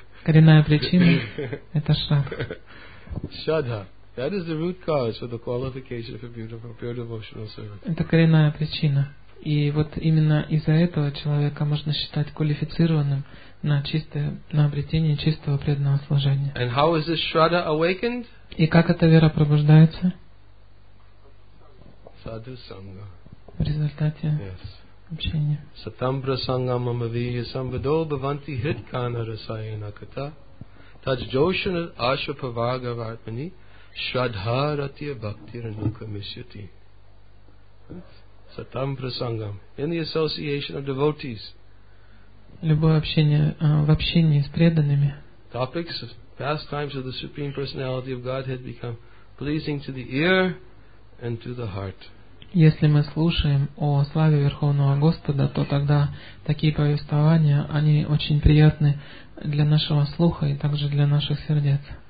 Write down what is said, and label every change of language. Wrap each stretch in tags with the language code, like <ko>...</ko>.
<ru>Коренная причина это шаг.</ru> <sa>Shraddha.</sa> <en>That is the root cause for the qualification for beautiful, pure devotional service.</en> <ru>Это коренная причина. И вот именно из-за этого человека можно считать квалифицированным на чистое, на обретение чистого преданного служения.</ru> <en>And how is this shraddha awakened?</en> <ru>И как эта вера пробуждается?</ru> <sa>Sadhu sangha.</sa> <ru>В результате</ru> <en>yes.</en> <ru>общения.</ru> <sa>Satambra sangha mamaviya sambhado bhavanti hitkana rasayana kata taj joshana ashapavaga vatmani shraddha ratya bhakti ranuka misyati. Satam prasangam.</sa> <en>In the association of devotees.</en> <ru>Любое общение, в общении с преданными.</ru> <en>Topics of pastimes of the Supreme Personality of Godhead become pleasing to the ear and to the heart.</en> <ru>Если мы слушаем о славе Верховного Господа, то тогда такие повествования, они очень приятны для нашего слуха и также для наших сердец.</ru>